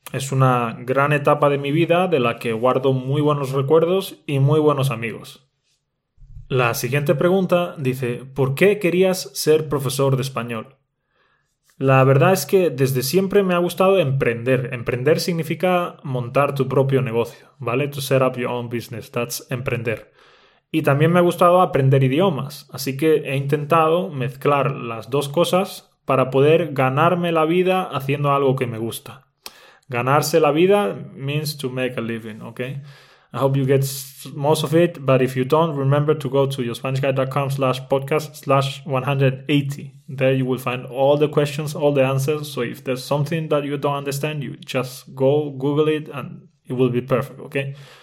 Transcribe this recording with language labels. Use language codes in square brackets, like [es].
[es] Es una gran etapa de mi vida de la que guardo muy buenos recuerdos y muy buenos amigos. La siguiente pregunta dice, ¿por qué querías ser profesor de español? La verdad es que desde siempre me ha gustado emprender. Emprender significa montar tu propio negocio, ¿vale? [en] To set up your own business, that's emprender. [es] Y también me ha gustado aprender idiomas, así que he intentado mezclar las dos cosas para poder ganarme la vida haciendo algo que me gusta. Ganarse la vida [en] means to make a living, okay? I hope you get most of it, but if you don't, remember to go to yourspanishguide.com/podcast/180. There you will find all the questions, all the answers. So if there's something that you don't understand, you just go Google it and it will be perfect, okay?